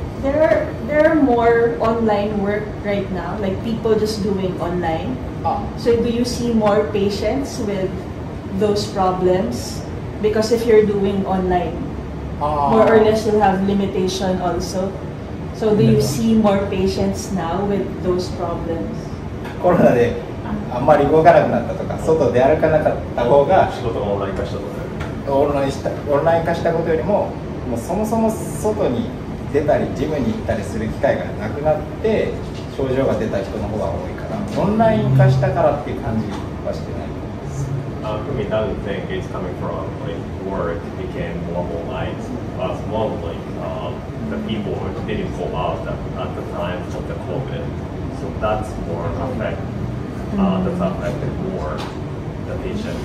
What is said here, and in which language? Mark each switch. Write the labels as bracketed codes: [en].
[en] There are more online work right now, like people just doing online. So do you see more patients with those problems, because if you're doing online, more or less you'll have limitation also. So do you see more patients now with those problems? [ja] Corona であんまり動かなくなったとか、外で歩かなかった方が仕事をオンライン化したことよりも、もうそもそも外に出たりジムに行ったりする機会がなくなって症状が出た人の方が多いから、オンライン化したからっていう感じはしてない。 [en] Fumi doesn't think it's coming from like work became more online, but it's more like the people didn't go out at the time of the COVID. So that's more affect, that's affected more the patient.